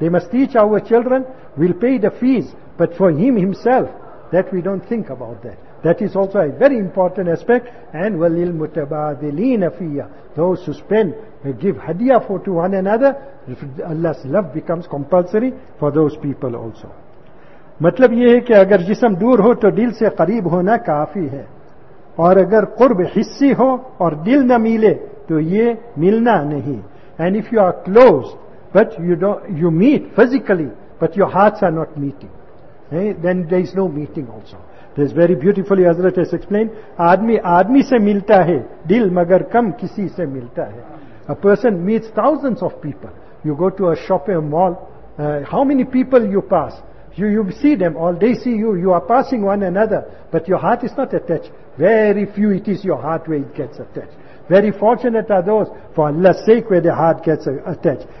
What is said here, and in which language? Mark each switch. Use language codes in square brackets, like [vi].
[en] They must teach our children, we'll pay the fees. But for him himself, that we don't think about that. That is also a very important aspect. And [ar] walil mutabadilina fiyya, [en] those who spend, give hadiyah for to one another, Allah's love becomes compulsory for those people also. [ur] مطلب یہ ہے کہ اگر جسم دور ہو تو دل سے قریب ہونا کافی ہے, اور اگر قرب حسی ہو اور دل نہ ملے تو یہ ملنا نہیں. [en] And if you are close but you meet physically but your hearts are not meeting, then there is no meeting also. This very beautifully Hazrat has explained, [ur] آدمی سے ملتا ہے [en] دل مگر کم کسی سے ملتا ہے. A person meets thousands of people. You go to a shop, a mall, how many people you pass? You see them all, they see you, you are passing one another, but your heart is not attached. Very few it is your heart where it gets attached. Very fortunate are those for Allah's sake where their heart gets attached.